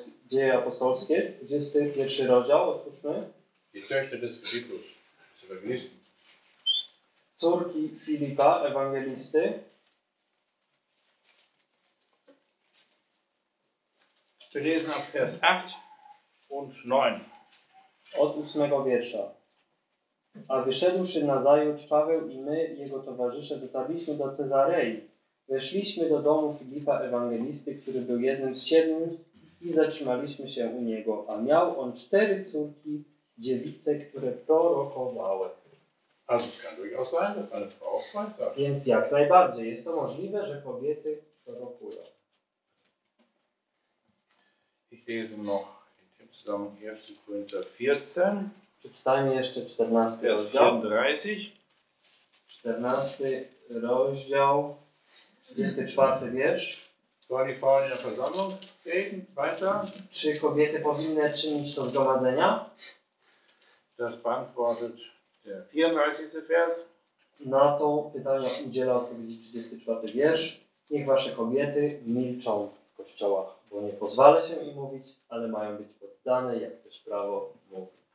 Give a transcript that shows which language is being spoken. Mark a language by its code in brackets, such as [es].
[pl] Dzieje apostolskie, 21 rozdział, otwórzmy. [de] Die Töchter des Philippus, z Ewangelisten. [pl] Córki Filipa, Ewangelisty. [de] Wir lesen ab Vers 8 und 9. [pl] Od 8 wiersza. A wyszedłszy nazajutrz, Paweł i my, jego towarzysze, dotarliśmy do Cezarei. Weszliśmy do domu Filipa, Ewangelisty, który był jednym z siedmiu i zatrzymaliśmy się u niego. A miał on 4 córki, dziewice, które prorokowały. [de] Also kann durchaus sein, dass eine Frau auch weissagt. [pl] Więc jak najbardziej jest to możliwe, że kobiety prorokują. [de] Ich lese noch in dem Zusammenhang 1. Korinther 14. [pl] Przeczytajmy jeszcze 14. [de] Vers 34. [pl] 14. rozdział, 34. wiersz. [de] Sollen die Frauen in der Versammlung reden, weissagen? [pl] Czy kobiety powinny czynić to zgromadzenia? [de] Das beantwortet der 34. Vers. [pl] Na to pytanie udziela odpowiedzi 34 wiersz. Niech wasze kobiety milczą w kościołach, bo nie pozwala się im mówić, ale mają być poddane, jak też prawo mówi.